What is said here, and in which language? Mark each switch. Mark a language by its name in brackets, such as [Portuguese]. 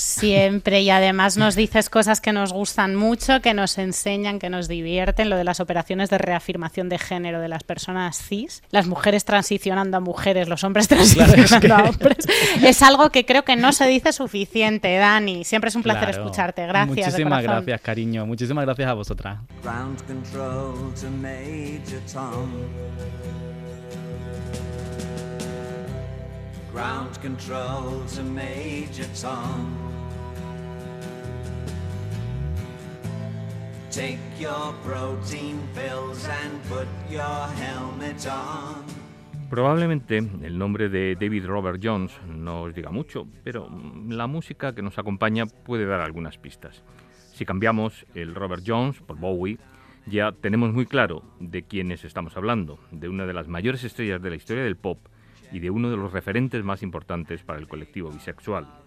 [Spanish] Siempre, y además nos dices cosas que nos gustan mucho, que nos enseñan, que nos divierten, lo de las operaciones de reafirmación de género de las personas cis, las mujeres transicionando a mujeres, los hombres transicionando a hombres. Es algo que creo que no se dice suficiente, Dani. Siempre es un placer escucharte. Gracias. Muchísimas gracias, cariño. Muchísimas gracias a vosotras. [English] Ground control to Major Tom. Ground control to Major Tom. Take your protein pills and put your helmet on. [Spanish] Probablemente el nombre de David Robert Jones no os diga mucho, pero la música que nos acompaña puede dar algunas pistas. Si cambiamos el Robert Jones por Bowie, ya tenemos muy claro de quiénes estamos hablando, de una de las mayores estrellas de la historia del pop y de uno de los referentes más importantes para el colectivo bisexual.